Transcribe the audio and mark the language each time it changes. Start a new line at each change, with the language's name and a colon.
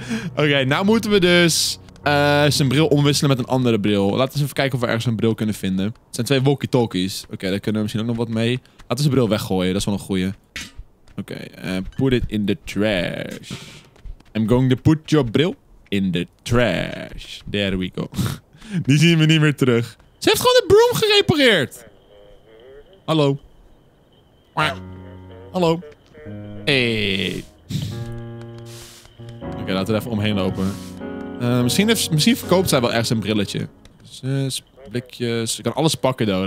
Dutch: Oké, nou moeten we dus... zijn bril omwisselen met een andere bril. Laten we even kijken of we ergens een bril kunnen vinden. Het zijn twee walkie-talkies. Oké, daar kunnen we misschien ook nog wat mee. Laten we zijn bril weggooien, dat is wel een goeie.
English: Oké, put it in the trash. I'm going to put your bril in the trash. There we go.
Dutch: Die zien we niet meer terug. Ze heeft gewoon de broom gerepareerd. Hallo. Hallo. Hey. Oké, laten we even omheen lopen. Misschien verkoopt zij wel ergens een brilletje. Zes blikjes. Ik kan alles pakken, though.